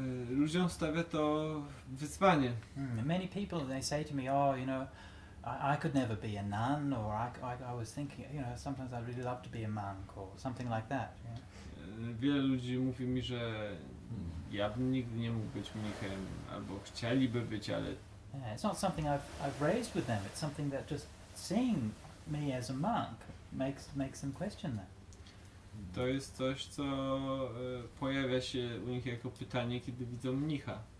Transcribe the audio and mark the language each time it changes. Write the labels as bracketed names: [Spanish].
[Polish] Ludziom stawia to wyzwanie. [English] Many people they say to me, oh, you know, I could never be a nun, or I was thinking, you know, sometimes I'd really love to be a monk or something like that. [Polish] Wiele ludzi mówi mi, że ja bym nigdy nie mógł być mnichem, albo chcieliby być, ale [English] yeah, it's not something I've raised with them. It's something that just seeing me as a monk makes them question that. [Polish] To jest coś, co pojawia się u nich jako pytanie, kiedy widzą mnicha.